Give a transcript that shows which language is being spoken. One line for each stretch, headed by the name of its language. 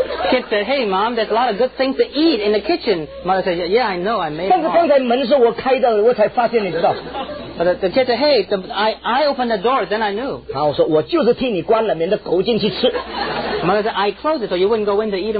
English: Kid said, "Hey, mom, there's a lot of good things to eat in the kitchen." Mother said, "Yeah, I know, I made."
Chinese: 但是刚才门是我开的，我才发现，你知道。
English: But the kid said, "Hey, I opened the door, then I knew."
Chinese: 然后我说我就是替你关了，免得狗进去吃。
English: Mother said, "I closed it so you wouldn't go in to eat them."